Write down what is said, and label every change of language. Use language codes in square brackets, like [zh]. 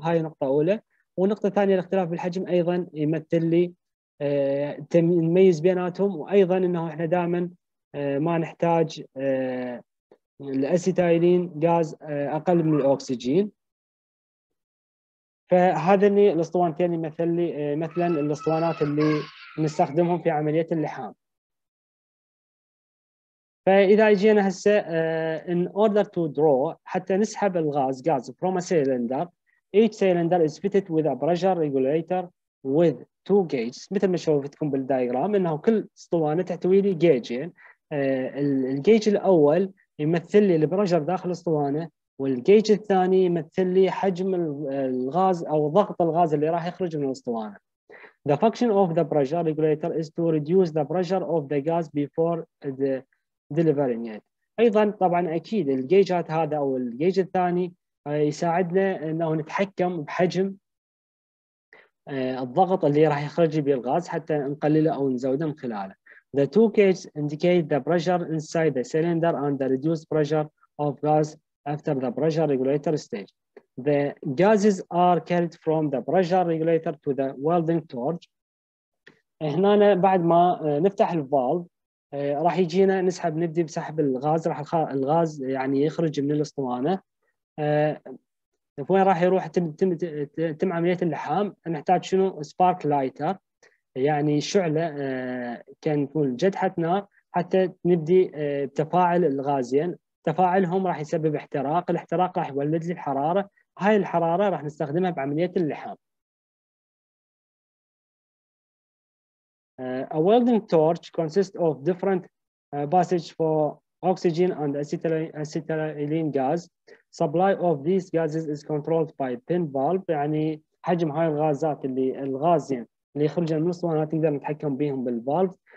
[ar] هاي نقطة أولى، ونقطة ثانية الاختلاف بالحجم أيضا يمثل لي نميز بيناتهم، وأيضا أنه إحنا دائما ما نحتاج الاسيتايلين غاز أقل من الأكسجين. فهذا الاسطوان الثاني مثلا الاسطوانات اللي نستخدمهم في عملية اللحام. فإذا جينا هسه [en] in order to draw [ar] حتى نسحب الغاز [en] gas from a cylinder, each cylinder is fitted with a pressure regulator with two gauges. [ar] مثل ما شوفتكم بالدايجرام انه كل اسطوانة تحتوي لي جيجين. الجيج الاول يمثل لي البرجر داخل الاسطوانة، والجيج الثاني يمثل لي حجم الغاز او ضغط الغاز اللي راح يخرج من الاسطوانة. [en] The function of the pressure regulator is to reduce the pressure of the gas before the delivering it. [ar] ايضا طبعا اكيد الجيجات هذا او الجيج الثاني يساعدنا انه نتحكم بحجم الضغط اللي راح يخرج به الغاز حتى نقلله او نزوده من خلاله. [en] The two gauges indicate the pressure inside the cylinder and the reduced pressure of gas after the pressure regulator stage. The gases are carried from the pressure regulator to the welding torch. [ar] هنا بعد ما نفتح الفالف راح يجينا نسحب، نبدي بسحب الغاز، راح الغاز يعني يخرج من الاسطوانه. وين راح يروح؟ تم عمليه اللحام نحتاج شنو؟ سبارك لايتر، يعني شعله كان تكون جدحه نار حتى نبدي بتفاعل الغازين. تفاعلهم راح يسبب احتراق، الاحتراق راح يولد لي الحراره، هاي الحراره راح نستخدمها بعمليه اللحام. [en] A welding torch consists of different passage for oxygen and acetylene gas. Supply of these gases is controlled by pin valve. [ar] يعني حجم هاي الغازات اللي الغازين اللي يخرجون من الاسطوانه تقدر نتحكم بهم بالفالف.